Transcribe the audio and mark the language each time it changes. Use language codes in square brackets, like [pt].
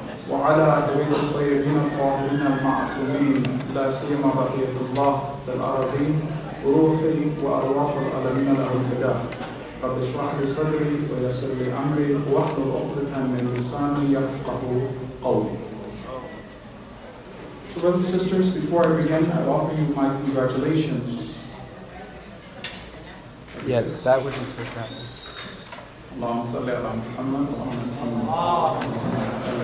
[ar] وعلى أدوية الطيبين الطاهرين المعصومين لا سيما بقية الله في الأراضين روحي وأرواح العالمين له الفداء. رب اشرح لي صدري ويسر لي أمري واحلل عقدة من لساني يفقه قولي. [en] So brothers and sisters, before I begin, I offer you my congratulations. Yeah, that was his first time. [ar] اللهم صل على محمد وعلى محمد.